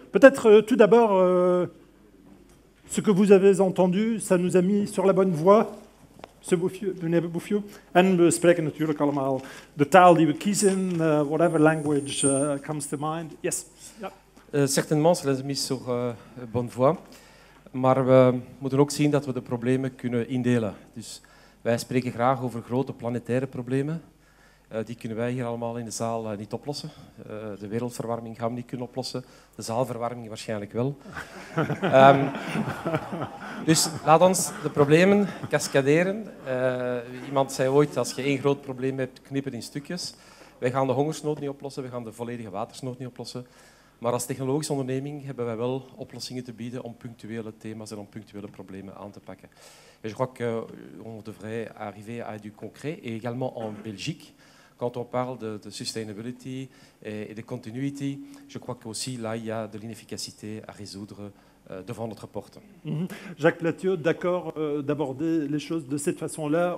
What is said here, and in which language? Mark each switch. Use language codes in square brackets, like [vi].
[fr] Peut-être tout d'abord, ce que vous avez entendu, ça nous a mis sur la bonne voie. [en] And we speak in the Kalamal, the Tal [nl] die we kiezen, [en] whatever language comes to mind. Yes. [fr] Certainement, ça nous a mis sur bonne voie. [nl] Maar we moeten ook zien dat we de problemen kunnen indelen. Dus wij spreken graag over grote planetaire problemen. Die kunnen wij hier allemaal in de zaal niet oplossen. De wereldverwarming gaan we niet kunnen oplossen. De zaalverwarming waarschijnlijk wel. Dus laat ons de problemen cascaderen. Iemand zei ooit, als je één groot probleem hebt, knippen in stukjes. Wij gaan de hongersnood niet oplossen, wij gaan de volledige watersnood niet oplossen. Maar als technologische onderneming hebben wij wel oplossingen te bieden om punctuele thema's en om punctuele problemen aan te pakken. [fr] Et je crois qu'on devrait arriver à du concret, et également en Belgique, quand on parle de sustainability et de continuity, je crois qu'aussi là, il y a de l'inefficacité à résoudre devant notre porte. Mm-hmm. Jacques Platiot, d'accord d'aborder les choses de cette façon-là.